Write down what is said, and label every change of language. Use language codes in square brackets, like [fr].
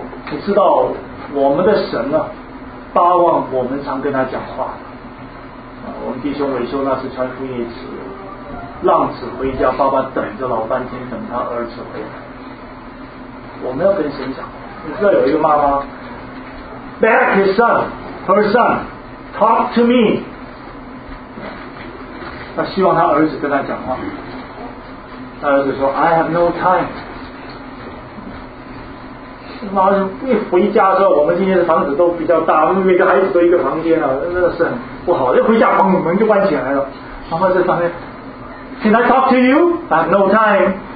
[zh] 你知道我们的神呢，巴望我们常跟他讲话。我们弟兄伟修那次传福音一次，浪子回家，爸爸等着老半天，等他儿子回来。我们要跟神讲。你知道有一个妈妈 ， beg his son, her son, talk to me。他希望他儿子跟他讲话。他儿子说 ： “I have no time。” 妈妈一回家的时候，我们今天的房子都比较大，每个孩子都一个房间啊，那是很不好。一回家，砰，门就关起来了。 [en] 妈妈在上面，Can I talk to you? I have no time.